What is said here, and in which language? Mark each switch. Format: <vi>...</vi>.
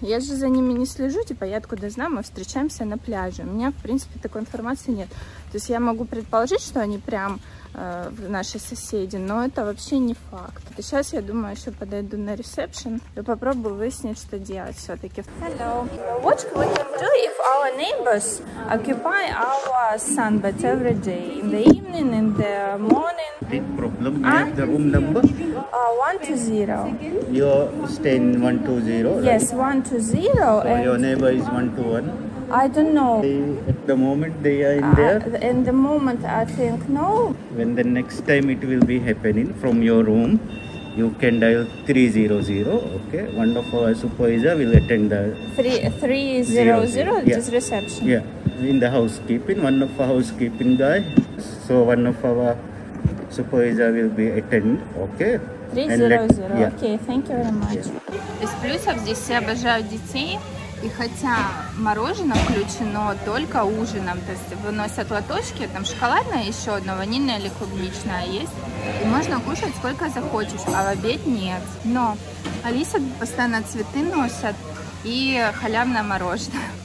<ru>Я же за ними не слежу, типа, я откуда знаю, мы встречаемся на пляже. У меня, в принципе, такой информации нет. То есть я могу предположить, что они прям наши соседи, но это вообще не факт. И сейчас, я думаю, еще подойду на ресепшн и попробую выяснить, что делать все-таки.</ru> <en>Hello. What would we do if our neighbors occupy our sunbed every day? In the evening, in the morning? Big problem. And the room number? 120. You're staying 120, right? Yes, 120. So and your neighbor is 121? I don't know. At the moment they are in there? In the moment I think no. When the next time it will be happening from your room, you can dial 300, okay? One of our supervisor will attend the... 300? Just reception? Yeah, in the housekeeping, one of our housekeeping guy. So one of our supervisor will be attend, okay? 300, yeah. Okay, thank you very much.</en> <ru>Из плюсов здесь все обожают детей. И хотя мороженое включено только ужином, то есть выносят лоточки, там шоколадное еще одно, ванильное или клубничное есть. И можно кушать сколько захочешь, а в обед нет. Но Алиса постоянно цветы носят и халявное мороженое.</ru>